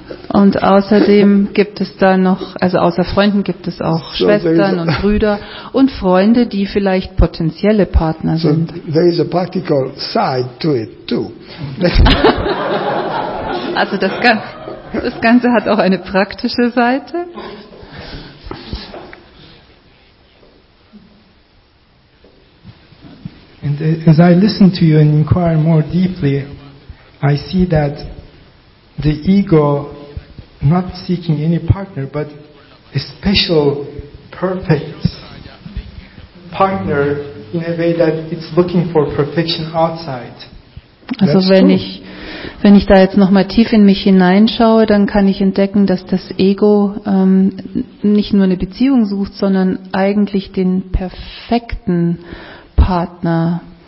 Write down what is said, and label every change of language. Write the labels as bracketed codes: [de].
[de] Und außerdem gibt es da noch, also außer Freunden gibt es auch Schwestern und Brüder und Freunde, die vielleicht potenzielle Partner sind. [en] So there is a practical side to it too. [de] Also das Ganze hat auch eine praktische Seite. [en] And as I listen to you and inquire more deeply, I see that the ego not seeking any partner, but a special, perfect partner in a way that it's looking for perfection outside. [de] Also wenn ich da jetzt nochmal tief in mich hineinschaue, dann kann ich entdecken, dass das Ego nicht nur eine Beziehung sucht, sondern eigentlich den perfekten Partner.